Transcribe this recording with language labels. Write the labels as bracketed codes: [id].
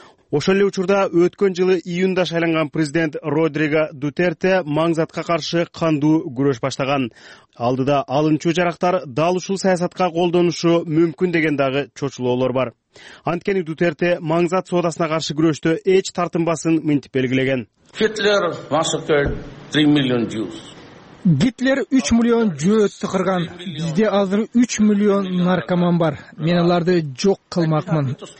[ky] Ошол эле учурда өткөн жылы июнда шайланган президент Родриго Дутерте маңзатка каршы кандуу күрөш баштаган. Алдыда алынчу жарактар дал ушул саясатка колдонушу мүмкүн деген дагы чочулоолор бар. Анткени Дутерте маңзат соодасына каршы күрөштө эч тартынбасын минтип белгилеген. [en] Hitler massacred 3 million Jews. [ky] Гитлер 3 миллион жөө тыкырган. Бизде азыр 3 миллион наркоман бар. Мен аларды жок кылмакмын.